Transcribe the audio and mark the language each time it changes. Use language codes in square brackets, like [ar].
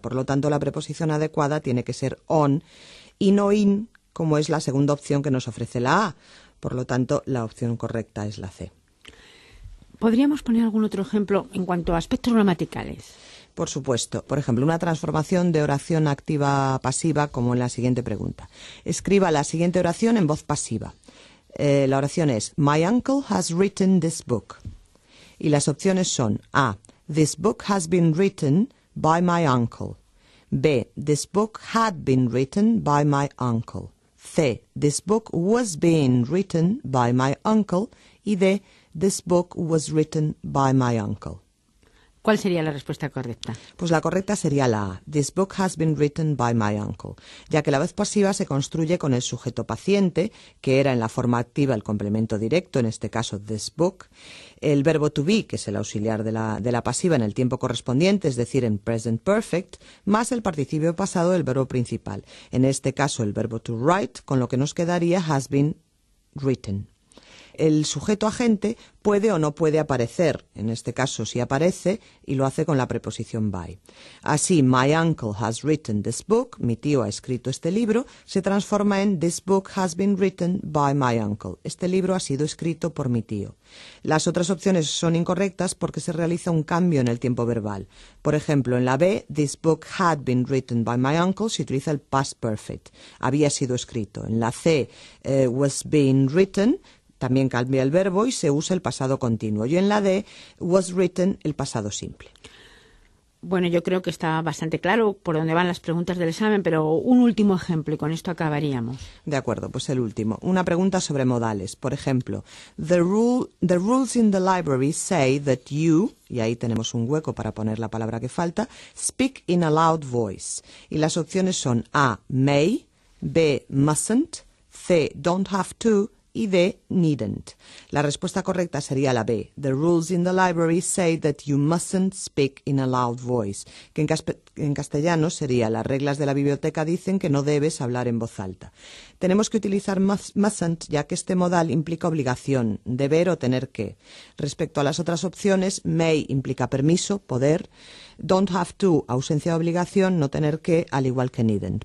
[es] Por lo tanto, la preposición adecuada tiene que ser on y no in, como es la segunda opción que nos ofrece la A. Por lo tanto, la opción correcta es la C. ¿Podríamos poner algún otro ejemplo en cuanto a aspectos gramaticales? Por supuesto. Por ejemplo, una transformación de oración activa a pasiva, como en la siguiente pregunta. Escriba la siguiente oración en voz pasiva. La oración es, [en] my uncle has written this book. [es] Y las opciones son [en] A, this book has been written by my uncle. B. This book had been written by my uncle. C. This book was being written by my uncle. Y D. This book was written by my uncle. [es] ¿Cuál sería la respuesta correcta? Pues la correcta sería la A. [en] This book has been written by my uncle. [es] Ya que la voz pasiva se construye con el sujeto paciente, que era en la forma activa el complemento directo, en este caso [en] this book. [es] El verbo to be, que es el auxiliar de la pasiva en el tiempo correspondiente, es decir, en present perfect, más el participio pasado del verbo principal. En este caso el verbo to write, con lo que nos quedaría [en] has been written. [es] el sujeto agente puede o no puede aparecer. En este caso, sí aparece y lo hace con la preposición by. Así, [en] my uncle has written this book, [es] mi tío ha escrito este libro, se transforma en [en] this book has been written by my uncle. [es] Este libro ha sido escrito por mi tío. Las otras opciones son incorrectas porque se realiza un cambio en el tiempo verbal. Por ejemplo, en la B, [en] this book had been written by my uncle, [es] se utiliza el past perfect, había sido escrito. En la C, [en] was being written, [es] también cambia el verbo y se usa el pasado continuo. Y en la D, [en] was written, [es] el pasado simple. Bueno, yo creo que está bastante claro por dónde van las preguntas del examen, pero un último ejemplo y con esto acabaríamos. De acuerdo, pues el último. Una pregunta sobre modales. Por ejemplo, [en] the rules in the library say that you, [es] y ahí tenemos un hueco para poner la palabra que falta, [en] speak in a loud voice. [es] Y las opciones son A, may, B, mustn't, C, don't have to, y de needn't. La respuesta correcta sería la B. [en] The rules in the library say that you mustn't speak in a loud voice. [es] Que en castellano sería las reglas de la biblioteca dicen que no debes hablar en voz alta. Tenemos que utilizar mustn't ya que este modal implica obligación, deber o tener que. Respecto a las otras opciones, may implica permiso, poder. Don't have to, ausencia de obligación, no tener que, al igual que needn't.